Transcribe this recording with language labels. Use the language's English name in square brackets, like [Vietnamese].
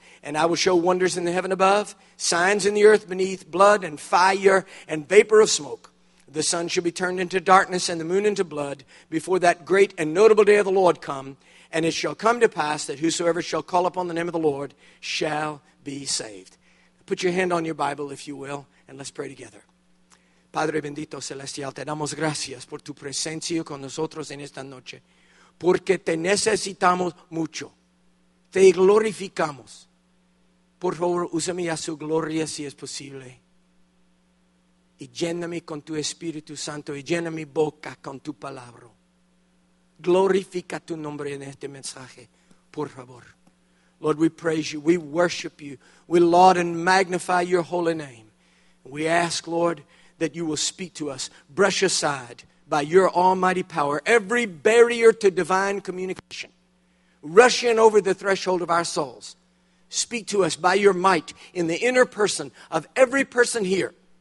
[English] And I will show wonders in the heaven above, signs in the earth beneath, blood and fire and vapor of smoke. The sun shall be turned into darkness and the moon into blood before that great and notable day of the Lord come. And it shall come to pass that whosoever shall call upon the name of the Lord shall be saved. Put your hand on your Bible, if you will, and let's pray together. [Spanish] Padre bendito celestial, te damos gracias por tu presencia con nosotros en esta noche. Porque te necesitamos mucho. Te glorificamos. Por favor, úsame a su gloria si es posible. Y lléname con tu Espíritu Santo y llena mi boca con tu palabra. Glorifica tu nombre en este mensaje, por favor. [English] Lord, we praise you. We worship you. We laud and magnify your holy name. We ask, Lord, that you will speak to us. Brush aside by your almighty power every barrier to divine communication. Rush in over the threshold of our souls. Speak to us by your might in the inner person of every person here.